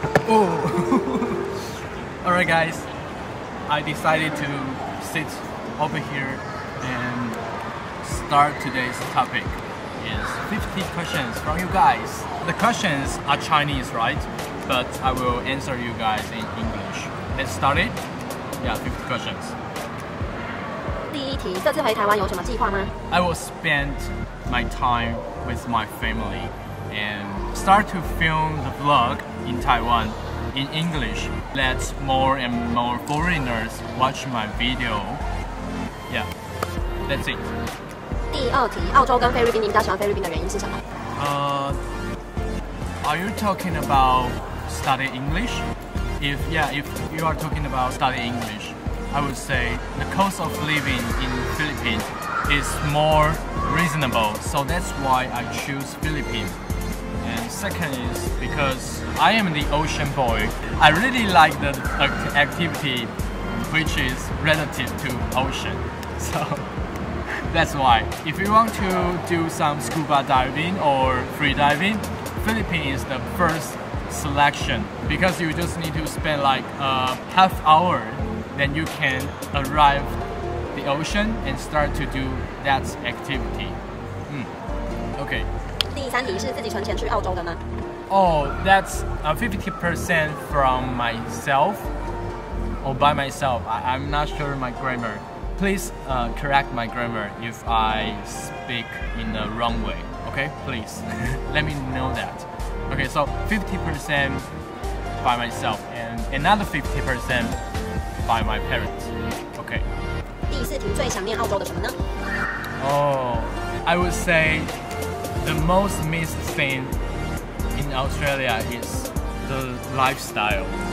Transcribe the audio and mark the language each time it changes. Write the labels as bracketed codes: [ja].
[en] Oh! Alright guys, I decided to sit over here and start today's topic. Is 50 questions from you guys. The questions are Chinese, right? But I will answer you guys in English. Let's start it. Yeah, 50 questions. [zh] 第一题，这次回台湾有什么计划吗？ [en] I will spend my time with my family and start to film the vlog in Taiwan in English. Let more and more foreigners watch my video. Yeah, that's it. [zh] 第二题，澳洲跟菲律宾，你比较喜欢菲律宾的原因是什么？ [en] Are you talking about study English? If you are talking about study English, I would say the cost of living in Philippines is more reasonable, so that's why I choose Philippines. And second is because I am the ocean boy. I really like the activity which is relative to ocean, so. That's why. If you want to do some scuba diving or free diving, Philippines is the first selection because you just need to spend like a half hour, then you can arrive the ocean and start to do that activity. Okay. [zh] 第三题是自己存钱去澳洲的吗？ [en] Oh, that's 50% from myself or by myself. I'm not sure my grammar. Please correct my grammar if I speak in the wrong way, okay? Please, let me know that. Okay, so 50% by myself and another 50% by my parents, okay. [zh] 第四题最想念澳洲的什么呢？ [en] Oh, I would say the most missed thing in Australia is the lifestyle.